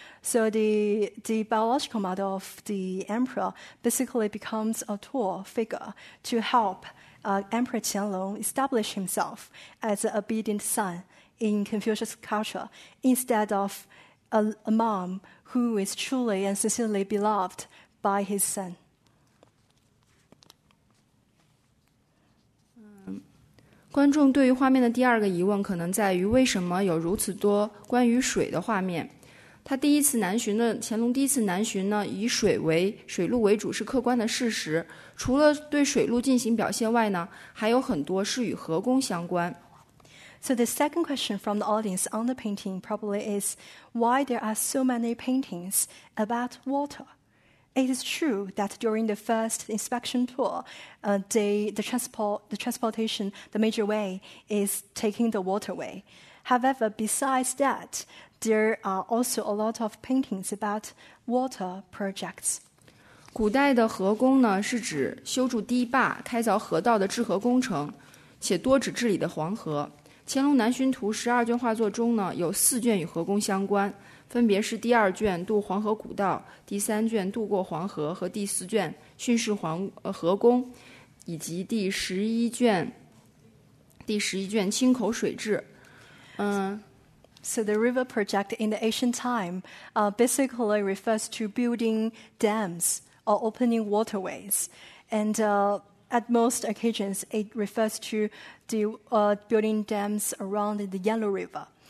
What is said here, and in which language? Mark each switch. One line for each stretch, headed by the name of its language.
English: So the biological mother of the emperor basically becomes a tool figure to help Emperor Qianlong establish himself as an obedient son in Confucius culture, instead of a mom who is truly and sincerely beloved by his son.
Chinese: 观众对于画面的第二个疑问可能在于为什么有如此多关于水的画面。他第一次南巡的乾隆第一次南巡呢，以水路为主是客观的事实。除了对水路进行表现外呢，还有很多是与河工相关。
English: So the second question from the audience on the painting probably is why there are so many paintings about water? It is true that during the first inspection tour, the transportation, the major way is taking the waterway. However, besides that, there are also a lot of paintings about water projects.
Chinese: 古代的河工呢，是指修筑堤坝、开凿河道的治河工程，且多指治理的黄河。乾隆南巡图十二卷画作中呢，有四卷与河工相关。分别是第二卷渡黄河古道，第三卷渡过黄河和第四卷训示河工，以及第十一卷清口水治。
English: So the river project in the ancient time basically refers to building dams or opening waterways. And at most occasions, it refers to the building dams around the Yellow River.